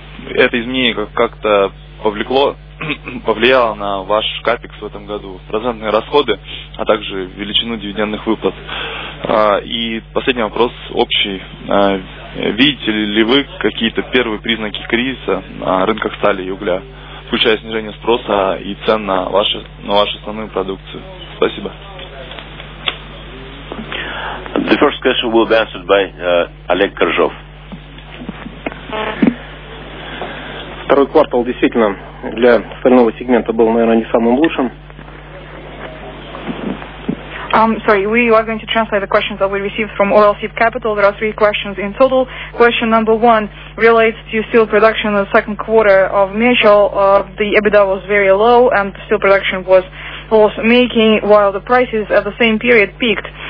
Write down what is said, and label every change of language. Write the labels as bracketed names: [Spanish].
[Russian] Это изменение как-то повлияло на ваш капекс в этом году, процентные расходы, а также величину дивидендных выплат. И последний вопрос общий. Видите ли вы какие-то первые признаки кризиса на рынках стали и угля, включая снижение спроса и цен на вашу основную продукцию? Спасибо. [English] The first question will be answered by Oleg Korzhov. [Russian] Второй квартал действительно для стального сегмента был, наверное, не самым лучшим. [English] Sorry, we are going to translate the questions that we received from Oralsib Capital. There are three questions in total. Question number one relates to steel production in the second quarter of Mitchell. The EBITDA was very low and steel production was loss-making while the prices at the same period peaked.